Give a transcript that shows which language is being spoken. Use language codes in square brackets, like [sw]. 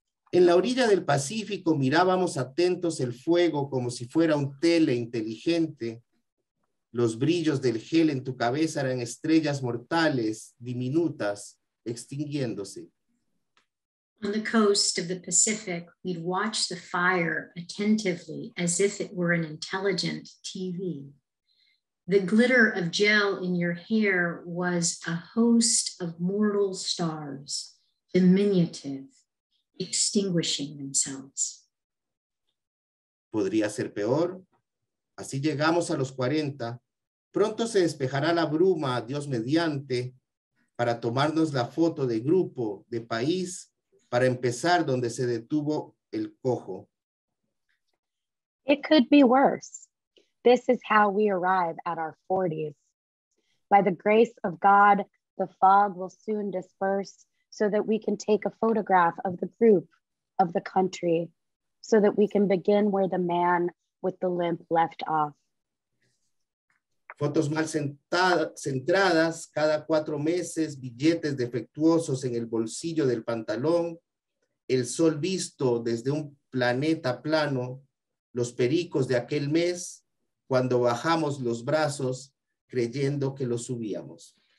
[es] En la orilla del Pacífico mirábamos atentos el fuego como si fuera un tele inteligente. Los brillos del gel en tu cabeza eran estrellas mortales, diminutas, extinguiéndose. [en] On the coast of the Pacific, we'd watch the fire attentively as if it were an intelligent TV. The glitter of gel in your hair was a host of mortal stars, diminutive, extinguishing themselves. [es] Podría ser peor. Así llegamos a los 40. Pronto se despejará la bruma, Dios mediante, para tomarnos la foto de grupo, de país, para empezar donde se detuvo el cojo. [en] It could be worse. This is how we arrive at our 40s. By the grace of God, the fog will soon disperse so that we can take a photograph of the group, of the country, so that we can begin where the man with the limp left off. [es] Fotos mal centradas, cada cuatro meses, billetes defectuosos en el bolsillo del pantalón, el sol visto desde un planeta plano, los pericos de aquel mes, cuando bajamos los brazos, creyendo que los subíamos.